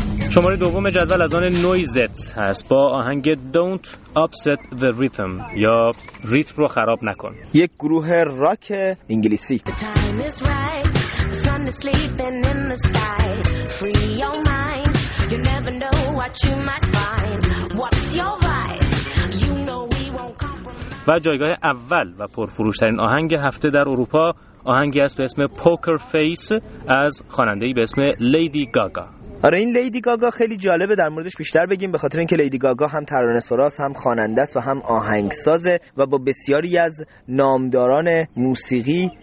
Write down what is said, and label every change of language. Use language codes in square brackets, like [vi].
[fa] شماره دوم جدول از آن نویزتس هست با آهنگ Don't Upset the Rhythm یا ریتم رو خراب نکن، یک گروه راک انگلیسی. [en] The time is right, the sun is sleeping in the sky. Free your mind, you never know what you might find. What's your vice? You know we won't compromise. [fa] و جایگاه اول و پرفروشترین آهنگ هفته در اروپا آهنگی است به اسم Poker Face از خواننده‌ای به اسم Lady Gaga. آره این لیدی گاگا خیلی جالبه در موردش بیشتر بگیم به خاطر اینکه لیدی گاگا هم ترانه سراس هم خواننده است و هم آهنگسازه و با بسیاری از نامداران موسیقی